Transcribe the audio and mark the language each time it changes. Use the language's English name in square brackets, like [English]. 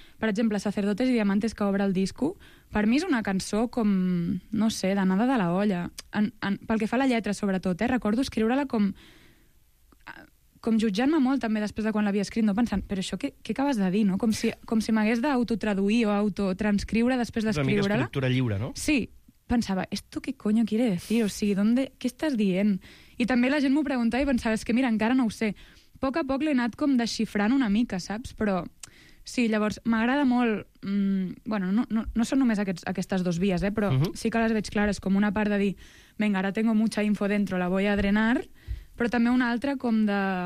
[Catalan] Per exemple, Sacerdotes i Diamantes, que obre el disco, per mi és una cançó com, no sé, d'anada de la olla. Pel que fa a la lletra, sobretot, eh? Recordo escriure-la com jutjant-me molt, també, després de quan l'havia escrit, no pensant, però això què acabes de dir, no? Com si m'hagués d'autotraduir o autotranscriure després d'escriure-la. Una mica escriptura lliure, no? Sí. [Spanish] Pensava, ¿esto qué coño quiere decir? [Catalan] O sigui, [Spanish] ¿qué estàs dient? [Catalan] I també la gent m'ho preguntava i pensava, és que mira, encara no ho sé. A poc a poc l'he anat com desxifrant una mica, saps? Però sí, llavors, m'agrada molt... bueno, no són només aquestes dues vies, però sí que les veig clares, com una part de dir, venga, ara [Spanish] tengo mucha info dentro, la voy a drenar, [Catalan] però també una altra com de...